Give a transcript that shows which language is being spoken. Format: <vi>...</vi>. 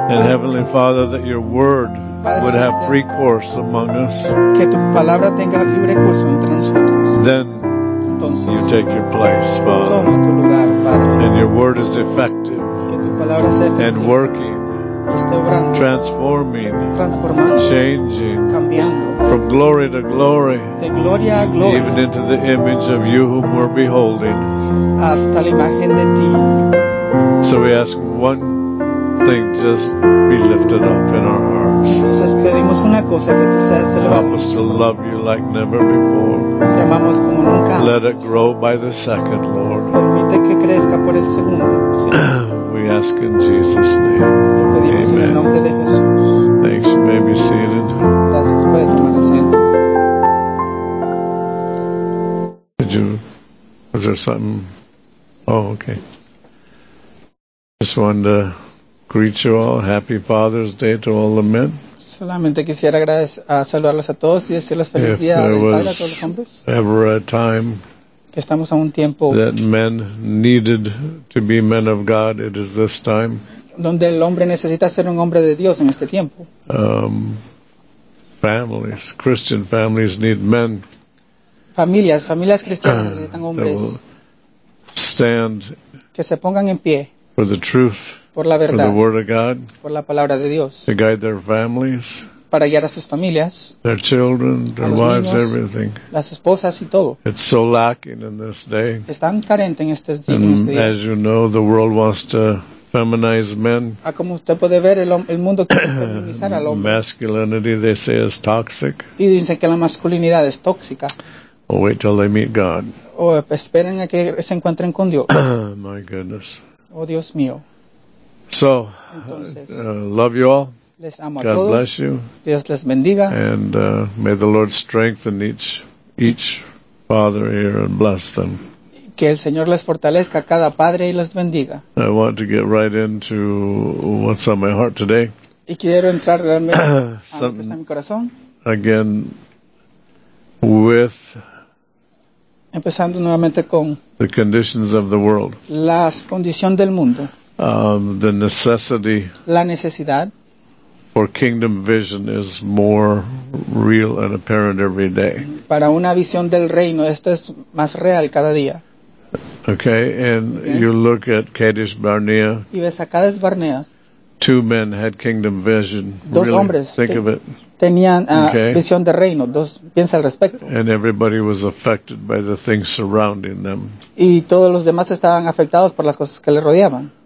<en>And Heavenly Father, that your word would have free course among us.</en> <es>Que tu palabra tenga libre curso entre nosotros.</es> <en>Then you take your place, Father.</en> <es>Toma tu lugar, Padre.</es> <en>And your word is effective.</en> <es>Que tu palabra sea efectiva.</es> <en>And working.</en> <es>Esté obrando.</es> <en>Transforming.</en> <es>Transformando.</es> <en>Changing.</en> <es>Cambiando.</es> <en>From glory to glory.</en> <es>De gloria a gloria.</es> <en>Even into the image of you whom we're beholding.</en> <es>Hasta la imagen de ti.</es> <en>So we ask one thing, just be lifted up in our hearts.</en> <es>Entonces pedimos una cosa, que tú seas elevado.</es> <en>Help us to love you like never before.</en> <es>Te amamos como nunca.</es> <en>Let it grow by the second, Lord.</en> <es>Permite que crezca por el segundo, Señor.</es> <en>We ask in Jesus' name.</en> <es>Lo pedimos.</es> <en>Amen.</en> <es>En el nombre de Jesús.</es> <en>Thanks, you may be seated.</en> <es>Gracias, puede tomar asiento.</es> <en>Did you, was there something? Oh, okay. Just wanted to greet you all. Happy Father's Day to all the men.</en> <es>Solamente quisiera saludarlos a todos y decirles feliz día del padre a todos los hombres.</es> <en>Ever a time</en> <es>que estamos a un tiempo</es> <en>that men needed to be men of God, it is this time.</en> <es>Donde el hombre necesita ser un hombre de Dios en este tiempo.</es> <en>Families, Christian families need men.</en> <es>Familias cristianas necesitan hombres.</es> <en>Stand</en> <es>que se pongan en pie</es> <en>for the truth.</en> <es>Por la verdad,</es> <en>for the word of God,</en> <es>por la palabra de Dios,</es> <en>to guide their families,</en> <es>para guiar a sus familias,</es> <en>their children, their wives,</en> <es>niños,</es> <en>everything.</en> <es>Las esposas y todo.</es> <en>It's so lacking in this day.</en> <es>Están carentes en este día.</es> <en>As you know, the world wants to feminize men.</en> <es>Ah, como usted puede ver, el mundo quiere feminizar al hombre.</es> <en>Masculinity, they say, is toxic.</en> <es>Y dicen que la masculinidad es tóxica.</es> <en>Oh, wait till they meet God.</en> <es>Esperen a que se encuentren con Dios.</es> <en>My goodness.</en> <es>Oh, Dios mío.</es> <en>So, love you all.</en> <es>Les amo</es> <en>God</en> <es>a todos.</es> <en>Bless you.</en> <es>Dios les bendiga.</es> <en>And may the Lord strengthen each father here and bless them.</en> <es>Que el Señor les fortalezca a cada padre y les bendiga.</es> <en>I want to get right into what's on my heart today.</en> <es>Y quiero entrar realmente a lo que está en mi corazón.</es> <en>Again, with</en> <es>empezando nuevamente con</es> <en>the conditions of the world.</en> <es>Las condiciones del mundo.</es> <en>The necessity,</en> <es>la necesidad,</es> <en>for kingdom vision is more real and apparent every day.</en> <es>Para una visión del reino, esto es más real cada día.</es> <en>Okay, and okay. You look at Kadesh Barnea.</en> <es>Y ves a Kadesh Barnea.</es> <en>Two men had kingdom vision.</en> <es>Dos</es> <en>really,</en> <es>hombres</es> <en>think of it.</en> <es>Tenían visión de reino. Dos, piensa al respecto.</es> <en>And everybody was affected by the things surrounding them.</en> <es>Y todos los demás estaban afectados por las cosas que les rodeaban.</es>